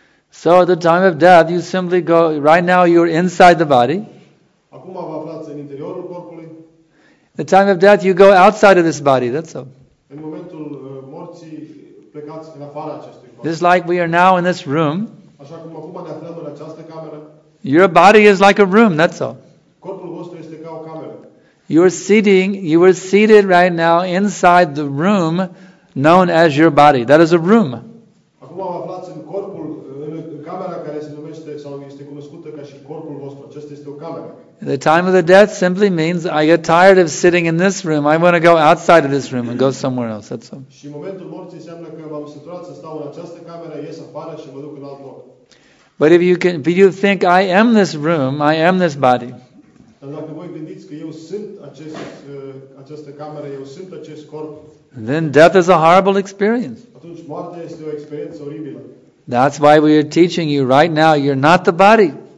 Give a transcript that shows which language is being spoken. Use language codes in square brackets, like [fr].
[en] So at the time of death, you simply go, right now you're inside the body. [ro] Acum vă aflați în interiorul corpului. [en] The time of death, you go outside of this body, that's all. [ro] În momentul morții, plecați în afara acestui corp. [en] Just like we are now in this room, [ro] așa cum acum ne aflăm în această cameră, [en] your body is like a room, that's all. [ro] Corpul vostru este ca o cameră. [en] You were seated right now inside the room known as your body. That is a room. [ro] Acum vă aflați în corpul, în camera care se numește sau este cunoscută ca și corpul vostru. Aceasta este o cameră. [en] The time of the death simply means I get tired of sitting in this room. I want to go outside of this room and go somewhere else. That's all. [ro] Și momentul morții înseamnă că m-am săturat să stau în această cameră, ies afară și mă duc în alt loc. [en] But if you think I am this room, I am this body. [ro] Dar dacă voi gândiți că eu sunt această cameră, eu sunt acest corp. [en] Then death is a horrible experience. [ro] Atunci moartea este o experiență oribilă. [en] That's why we are teaching you right now, you're not the body.